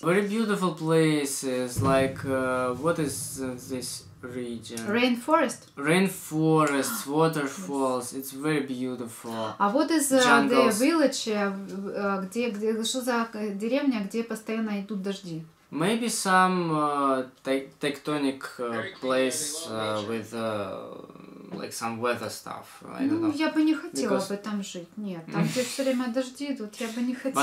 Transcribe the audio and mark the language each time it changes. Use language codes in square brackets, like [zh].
[en] Very beautiful places. Like, what is this region? Rainforest. Rainforest, waterfalls. It's very beautiful. [ru] А вот из [en] the village, [ru] где что за деревня, где постоянно идут дожди? [en] Maybe some tectonic place with like some weather stuff. I don't know. [ru] Ну, я бы не хотела бы там жить. Нет, там где все время дожди идут, я бы не хотела.